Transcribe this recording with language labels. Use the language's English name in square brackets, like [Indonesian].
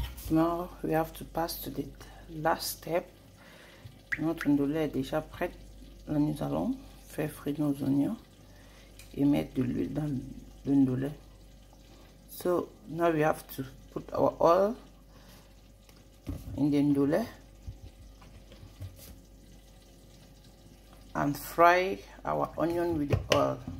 [English] Now we have to pass to the last step. [French] Notre ondoulé est déjà prête. Là, nous allons faire frire nos oignons et mettre de l'huile dans l'ondoulé. [English] So now we have to put our oil in the ondoulé and fry our onion with the oil.